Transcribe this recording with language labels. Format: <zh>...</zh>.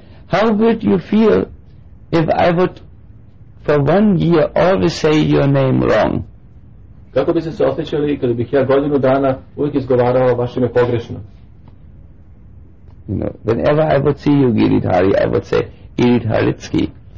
<en>How would you feel if I would for one year always say your name wrong?</en> <sr>Kako bi se osjećali kada bih ja godinu dana uvijek izgovarao vaše ime pogrešno?</sr> <en>You know, whenever I would see you, Giridhari, I would say, Giridharitski.</en>